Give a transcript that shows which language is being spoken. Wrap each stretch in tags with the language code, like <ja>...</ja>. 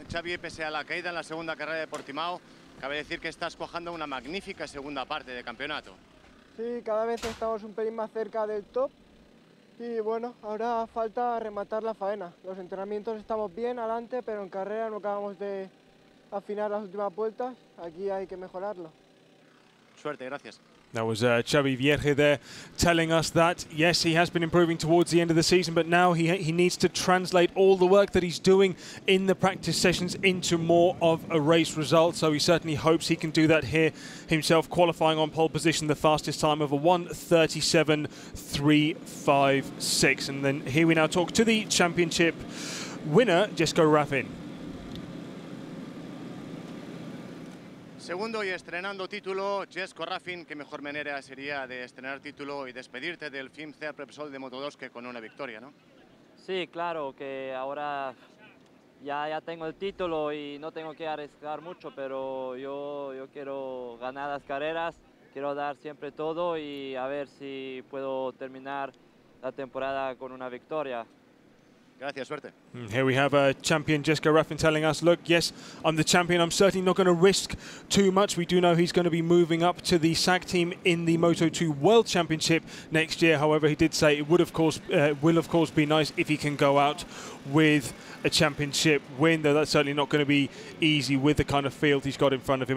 <es>Xavi, pese a la caída en la segunda carrera de Portimao, cabe decir que estás cuajando una magnífica segunda parte de campeonato. Sí, cada vez estamos un pelín más cerca del top. Y bueno, ahora falta rematar la faena. Los entrenamientos estamos bien adelante, pero en carrera no acabamos de afinar las últimas vueltas. Aquí hay que mejorarlo. Suerte, gracias.</es> <en>That was Xavi Vierge there telling us that, yes, he has been improving towards the end of the season, but now he needs to translate all the work that he's doing in the practice sessions into more of a race result. So he certainly hopes he can do that here himself, qualifying on pole position, the fastest time of a 1:37.356. And then here we now talk to the championship winner, Jesko Raffin.</en> <es>Segundo y estrenando título, Jesko Raffin, qué mejor manera sería de estrenar título y despedirte del FIM CEV Repsol de Moto2 que con una victoria, ¿no? Sí, claro, que ahora ya tengo el título y no tengo que arriesgar mucho, pero yo quiero ganar las carreras, quiero dar siempre todo y a ver si puedo terminar la temporada con una victoria.</es> <en>Here we have a champion, Jesko Raffin, telling us, look, yes, I'm the champion. I'm certainly not going to risk too much. We do know he's going to be moving up to the SAC team in the Moto2 World Championship next year. However, he did say it would, of course, will, of course, be nice if he can go out with a championship win, though that's certainly not going to be easy with the kind of field he's got in front of him.</en>